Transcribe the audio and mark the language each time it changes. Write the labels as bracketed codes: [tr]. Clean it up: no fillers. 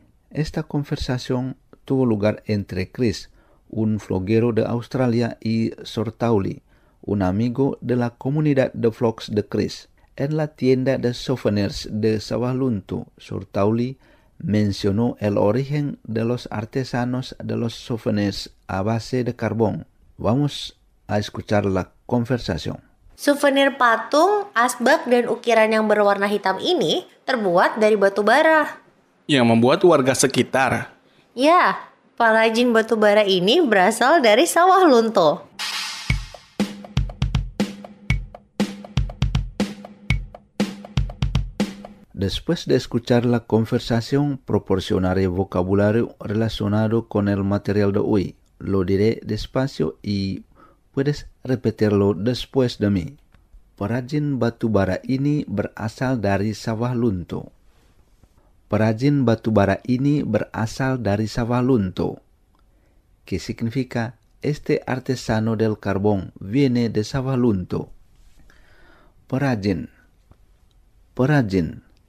[es] Esta conversación tuvo lugar entre Chris, un vloguero de Australia, y Sortauli, un amigo de la comunidad de vlogs de Chris. En la tienda de souvenirs de Sawah Lunto, Sortauli mencionó el origen de los artesanos de los souvenirs a base de carbón. Vamos a escuchar la conversación. [id] Souvenir patung, asbak, dan ukiran yang berwarna hitam ini terbuat dari batu bara. Yang membuat warga sekitar. Ya, pengrajin batu bara ini berasal dari Sawah Lunto. [es] Después de escuchar la conversación, proporcionaré vocabulario relacionado con el material de hoy. Lo diré despacio y puedes repetirlo después de mí. [id] Perajin batubara ini berasal dari sawah lunto. Perajin batubara ini berasal dari sawah lunto. [es] Que significa, este artesano del carbón viene de sawah lunto. Perajin. Perajin.